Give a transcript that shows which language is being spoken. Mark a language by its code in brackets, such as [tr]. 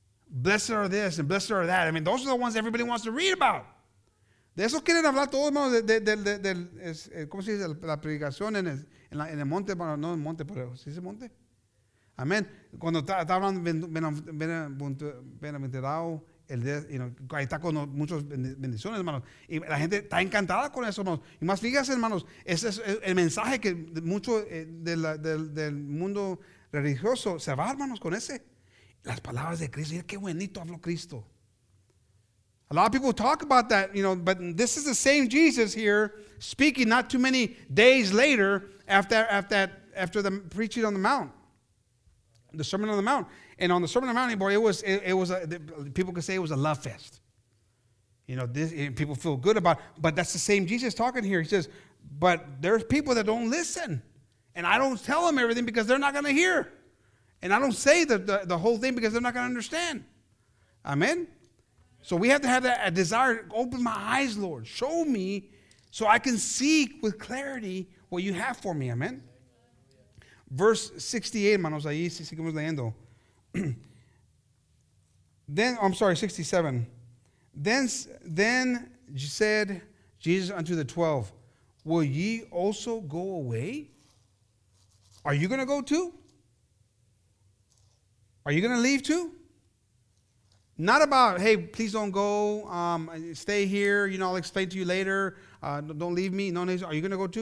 [en] Blessed are this and blessed are that. I mean, those are the ones everybody wants to read about. [es] De eso quieren hablar todos, hermanos, ¿cómo se dice? La predicación en el monte, bueno, no en el monte, pero ¿sí se monte? Amén. Cuando está hablando, bienaventurado, ahí está con muchas bendiciones, hermanos. Y la gente está encantada con eso, hermanos. Y más, fíjense, hermanos, ese es el mensaje que mucho del mundo religioso se va, hermanos, con ese. Las palabras de Cristo, mira qué bonito habló Cristo. [en] A lot of people talk about that, you know, but this is the same Jesus here speaking not too many days later after the preaching on the Mount, the Sermon on the Mount. And on the Sermon on the Mount, boy, people could say it was a love fest. You know, people feel good about it, but that's the same Jesus talking here. He says, but there's people that don't listen, and I don't tell them everything because they're not going to hear. And I don't say the whole thing because they're not going to understand. Amen. So we have to have a desire. Open my eyes, Lord. Show me so I can see with clarity what you have for me. Amen. Verse 68, [es] manos, ahí si seguimos leyendo. [en] Then, I'm sorry, 67. Then said Jesus unto the 12, will ye also go away? Are you going to go too? Are you going to leave too? Not about, hey, please don't go, stay here, you know, I'll explain to you later, don't leave me. No, are you going to go too?